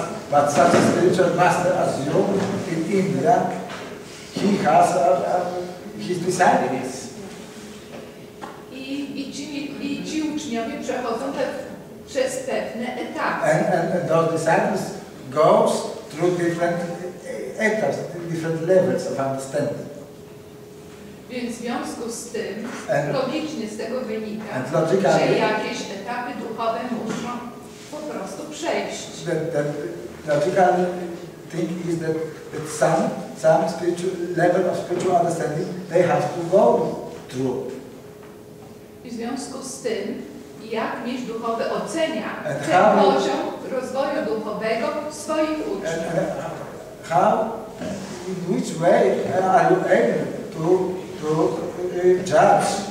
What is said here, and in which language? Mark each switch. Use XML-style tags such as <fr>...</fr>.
<en>But such a spiritual master as you in India, he has his disciples.</en> <pl>I ci uczniowie przechodzą przez pewne etapy.</pl> <en>And those disciples go through different etapes, different levels of understanding.</en> <pl>Więc w związku z tym, logicznie z tego wynika, że jakieś etapy duchowe muszą po prostu przejść.</pl> <en>Logical thing is that it's some spiritual level of spiritual understanding they have to go through.</en> <pl>I w związku z tym, jak mistrz duchowy ocenia ten poziom rozwoju duchowego swoich uczniów?</pl> <en>How, in which way are you able to judge</en>